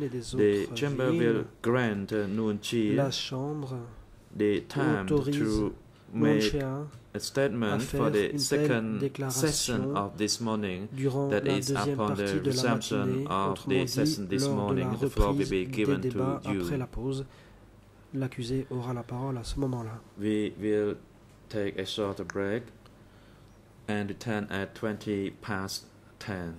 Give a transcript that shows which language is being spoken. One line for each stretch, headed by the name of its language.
English: The chamber will grant Nun Chi the time to make a statement for the second session of this morning that is upon the resumption of the session this morning the floor will be given to you.
French: Après la pause, l'accusé aura la parole à ce moment-là.
English: We will take a short break and return at 20 past 10.